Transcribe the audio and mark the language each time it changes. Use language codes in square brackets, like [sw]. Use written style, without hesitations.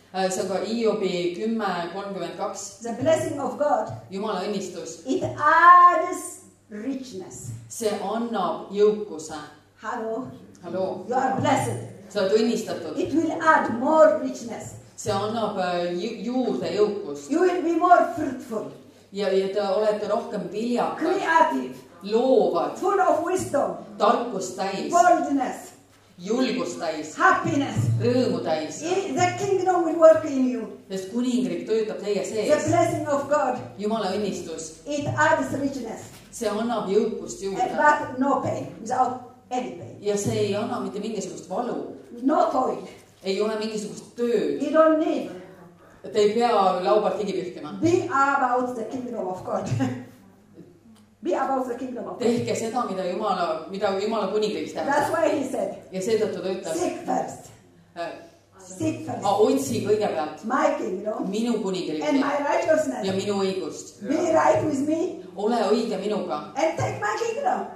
[et] See on ka Iobi 10:32. [en] The blessing of God. [et] Jumala õnnistus. [en] It adds richness. [et] See annab jõukuse. [en] Hallo. [et] Hallo. [en] You are blessed. [et] Sa oled õnnistatud. [en] It will add more richness. [et] See annab juurde jõukust. [en] You will be more fruitful. [et] Ja te olete rohkem viljakad. [en] Creative. [et] Loovad. [en] Full of wisdom. [et] Tarkust täis. [en] Boldness. [et] Julgust täis. [en] Happiness. [et] Rõõmu täis. [en] The kingdom will work in you. [et] Sest kuningriik töötab teie sees. [en] The blessing of God. [et] Jumala õnnistus. [en] It adds richness. [et] See annab jõukust juurde. [en] And but no pain. Without anything. [et] Ja see ei anna mitte mingisugust valu. [en] No toil. [et] Ei ole mingisugust tööd. [en] You don't need. [et] Te ei pea laubalt higi pühkima. [en] Be about the kingdom of God. Be about the kingdom of God. [et] Tehke seda, mida Jumala kuningriigis teha. [en] That's why he said. [et] Ja see tõttu ta ütles. [en] Seek first. sit first. [et] Oh, uitzie, kõigepealt. [en] My kingdom. [et] Minu kuningriik. [en] And my righteousness. [et] Ja minu õigust. [en] Be right with me. [et] Ole õige minuga. [en] And take my kingdom.